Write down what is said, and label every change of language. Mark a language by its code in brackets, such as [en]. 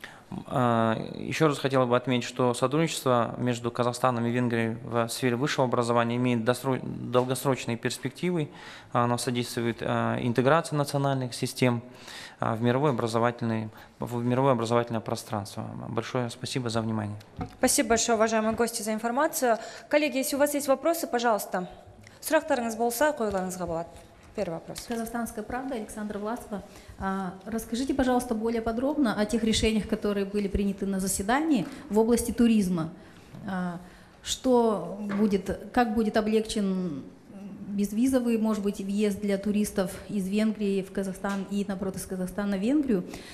[ru] Еще раз хотел бы отметить, что сотрудничество между Казахстаном и Венгрией в сфере высшего образования имеет долгосрочные перспективы. Оно содействует интеграции национальных систем в мировое образовательное пространство. Большое спасибо за внимание. Спасибо большое, уважаемые гости, за информацию. Коллеги, если у вас есть вопросы, пожалуйста. [kk] Сұрақтарыңыз болса, қойларыңызға болады. [ru] Первый вопрос. Казахстанская правда, Александра Власова. Расскажите, пожалуйста, более подробно о тех решениях, которые были приняты на заседании в области туризма. Что будет, как будет облегчен безвизовый, может быть, въезд для туристов из Венгрии в Казахстан и, наоборот, из Казахстана в Венгрию.